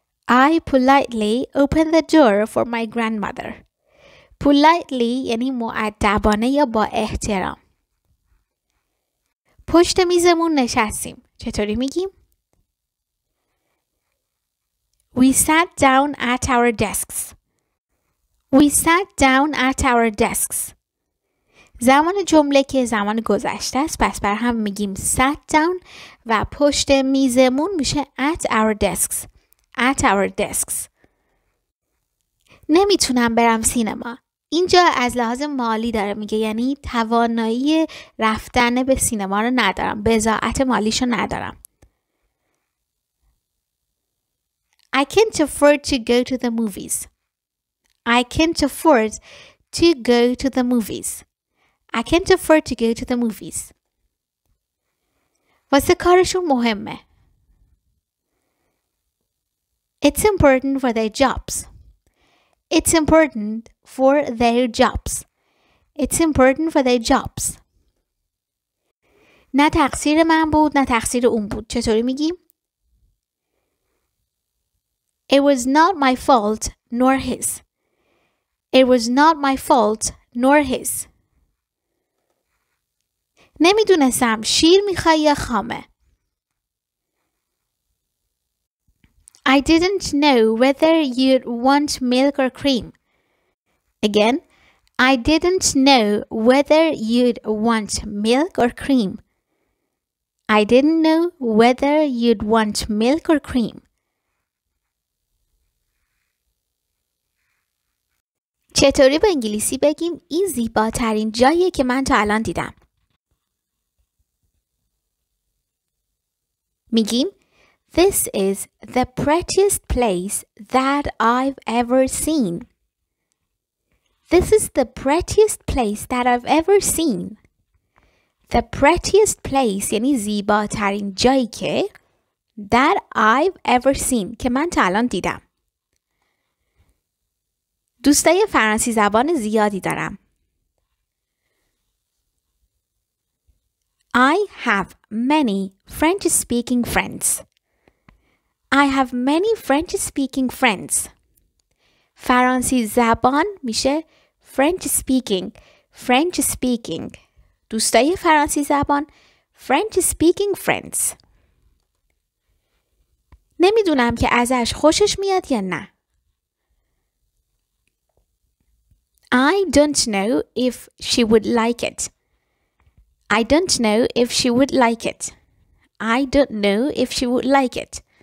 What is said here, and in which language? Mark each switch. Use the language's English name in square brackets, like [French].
[English] I politely opened the door for my grandmother. [Persian] Politely یعنی مؤدبانه یا با احترام. پشت میزمون نشستیم. چطوری میگیم؟ [English] We sat down at our desks. We sat down at our desks. [Persian] زمان جمله که زمان گذشته است، پس بر هم میگیم sat down و پشت میزمون میشه at our desks. [English] At our desks. [Persian] نمیتونم برم سینما. اینجا از لحاظ مالی داره میگه، یعنی توانایی رفتن به سینما رو ندارم، بضاعت مالیشو ندارم. [English] I can't afford to go to the movies. I can't afford to go to the movies. I can't afford to go to the movies. [Persian] واسه کارشون مهمه. [English] It's important for their jobs. It's important for their jobs. It's important for their jobs. [Persian] نه تقصیر من بود نه تقصیر اون بود. چطوری میگیم؟ [English] It was not my fault nor his. It was not my fault nor his. [Persian] نمیدونستم شیر میخوای یا خامه. [English] I didn't know whether you'd want milk or cream. Again, I didn't know whether you'd want milk or cream. I didn't know whether you'd want milk or cream. [Persian] چطوری با انگلیسی بگیم این زیباترین جاییه که من تا الان دیدم؟ میگیم [English] This is the prettiest place that I've ever seen. This is the prettiest place that I've ever seen. The prettiest place [Persian] یعنی زیباترین جایی که [English] that I've ever seen [Persian] که من تا الان دیدم. دوستای فرانسوی زبان زیادی دارم. [English] I have many French speaking friends. I have many French speaking friends. [Persian] فرانسوی زبان میشه [English] French speaking. French speaking. [Persian] دوستای فرانسوی زبان [English] French speaking friends. [Persian] نمیدونم که ازش خوشش میاد یا نه. [English] I don't know if she would like it. I don't know if she would like it. I don't know if she would like it.